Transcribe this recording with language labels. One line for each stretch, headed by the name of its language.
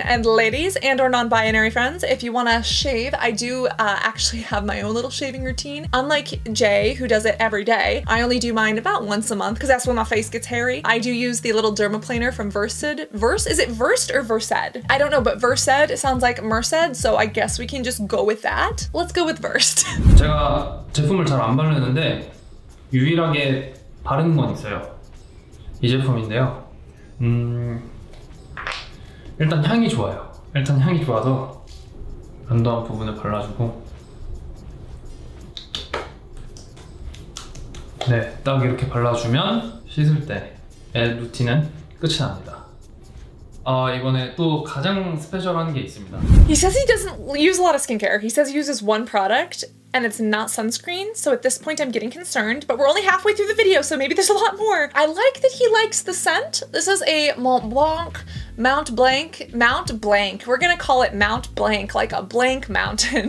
English: And ladies and or non-binary friends, if you wanna shave, I do actually have my own little shaving routine. Unlike Jay, who does it every day, I only do mine about once a month because that's when my face gets hairy. I do use the little dermaplaner from Versed. Is it Versed or Versed? I don't know, but Versed, it sounds like Merced, so I guess we can just go with that. Let's go with Versed.
Korean: 제가 제품을 잘 안 바르는데 유일하게 바른 건 있어요. 이 제품인데요. 일단 향이 좋아요. 일단 향이 좋아서 면도한 부분을 발라주고 네, 딱 이렇게 발라주면 씻을 때의 루틴은 끝이 납니다. 이번에 또 가장 스페셜한 게 있습니다.
English: He says he doesn't use a lot of skincare. He says he uses one product and it's not sunscreen. So at this point, I'm getting concerned. But we're only halfway through the video, so maybe there's a lot more. I like that he likes the scent. This is a Montblanc. We're gonna call it Montblanc, like a blank mountain.